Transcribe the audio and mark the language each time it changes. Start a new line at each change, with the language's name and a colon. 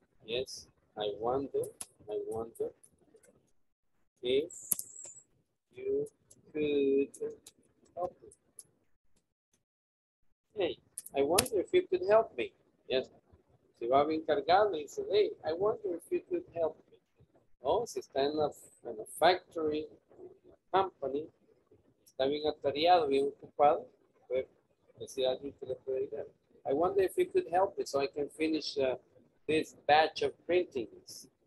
English: Yes, I wonder if you could help me. Hey, I wonder if you could help me. Yes.
Spanish: Si va bien cargado y dice,
English: hey, I wonder if you could help me.
Spanish: Oh, si está en la factory, en la company, está bien atareado, bien ocupado, pues decir a alguien que le puede ayudar.
English: I wonder if you could help me so I can finish this batch of printings.